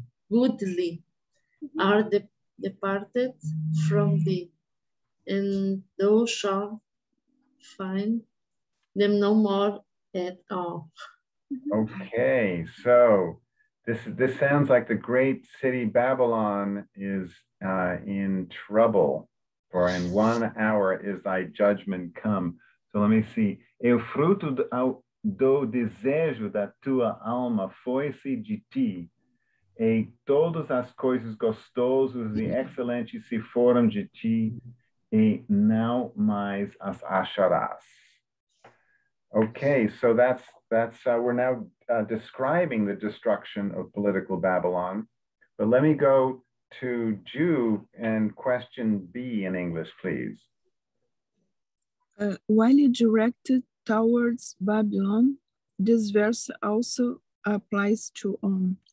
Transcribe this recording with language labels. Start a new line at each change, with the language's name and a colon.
English: goodly are departed from thee, and thou shalt find them no more at all. Okay, so this sounds like the great city Babylon is in trouble. For in 1 hour is thy judgment come. So let me see.
Portuguese: E o fruto do desejo da tua alma foi-se de ti. E todas as coisas gostosas e excelentes se foram de ti, e não mais as acharás.
English: Okay, so that's we're now describing the destruction of political Babylon. But let me go to Jew and question B in English, please. While directed towards Babylon, this verse also applies to whom.